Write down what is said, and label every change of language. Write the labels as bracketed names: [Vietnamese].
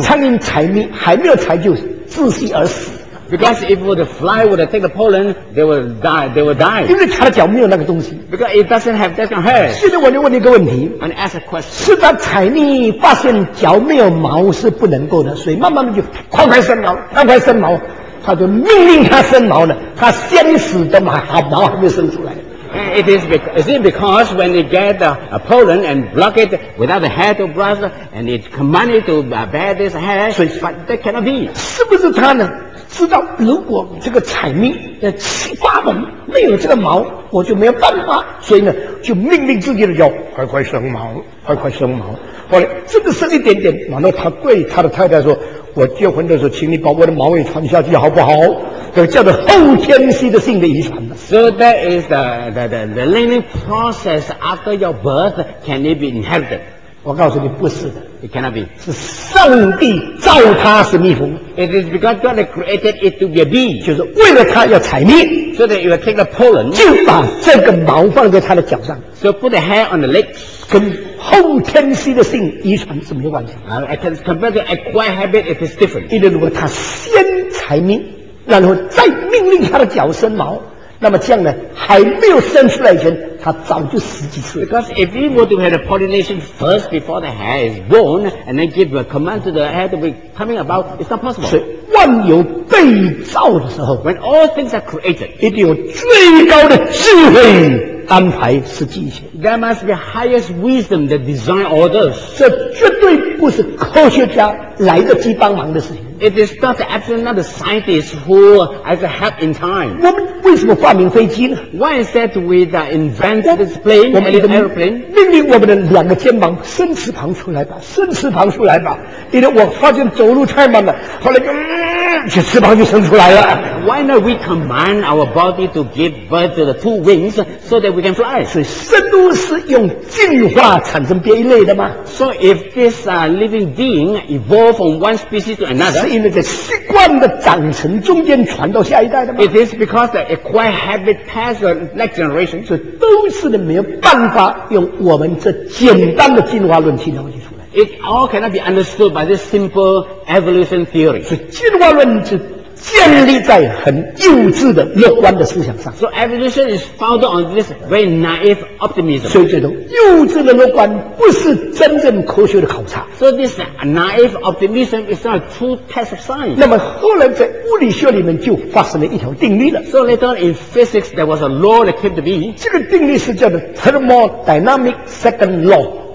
[Chinese] 苍蝇采蜜还没有采就窒息而死。 [English] Because if the fly would take the pollen, they will die. They will die. [Chinese] 因为它的脚没有那个东西。 [English] Because it doesn't have that kind of hair. [Chinese] 现在我就问你一个问题。 [English] And ask a question. [Chinese] 是它采蜜发现脚没有毛是不能够的，所以慢慢的就快快生毛，快快生毛。他就命令他生毛了，他先死的嘛，毛还没生出来。 [English] It is because, is it because when it get a pollen and block it without the hair to brush and it command it to bear this hair, so that cannot be. [Chinese] 是不是他呢？知道如果这个采蜜的七八门没有这个毛，我就没有办法，所以呢，就命令自己的脚快快生毛，快快生毛。后来这个生一点点，然后他对他的太太说。我结婚的时候，请你把我的毛也传下去，好不好？这个叫做后天性的遗传。 [English] So that is the learning process after your birth can it be inherited? [Chinese] 我告诉你，不是的。 [English] It cannot be. [Chinese] 是上帝造它是蜜蜂。 [English] It is because God created it to be a bee. [Chinese] 就是为了它要采蜜。 [English] So that it will take the pollen. [Chinese] 就把这个毛放在它的脚上。 [English] So put the hair on the legs. [Chinese] 跟后天性的性遗传是没有关系。 [English] I can compare to acquired habit, it is different. [Chinese] 因为如果他先采蜜，然后再命令他的脚生毛，那么这样呢，还没有生出来以前，它早就死几次了。 [English] Because if we were to have the pollination first before the hair is born, and then give a command to the hair to be coming about, it's not possible. [Chinese] 是万有被造的时候 [English] ，when all things are created, [Chinese] 一定有最高的智慧安排实际一切。 [English] There must be highest wisdom that design all this. [Chinese] 这绝对不是科学家来得及帮忙的事情。 [English] It is not absolutely not the scientist who has a help in time. [Chinese] 我们为什么发明飞机呢 [English] ？Why is that we invent this plane, this airplane? [Chinese] 命令我们的两个肩膀伸直旁出来吧，伸直旁出来吧。因为我发现走路太慢了，后来就翅膀就伸出来了。 [English] Why not we command our body to give birth to the two wings so that we can fly? [Chinese] 所以生物是用进化产生变异类的吗 [English] ？So if this living being evolved from one species to another. [Chinese] 是因为在习惯的长成中间传到下一代的吗 [English] ？It is because the acquired habit passes the next generation. [Chinese] 所以都是没有办法用我们这简单的进化论去了解出来。 [English] It all cannot be understood by this simple evolution theory. [Chinese] 所以进化论是建立在很幼稚的乐观的思想上。 [English] So evolution is founded on this very naive optimism. [Chinese] 所以这种幼稚的乐观不是真正科学的考察。 [English] So this naive optimism is not a true test of science. [Chinese] 那么后来在物理学里面就发生了一条定律了。 [English] So later on in physics there was a law that came to be. [Chinese] 这个定律是叫做 [English] thermodynamic second law.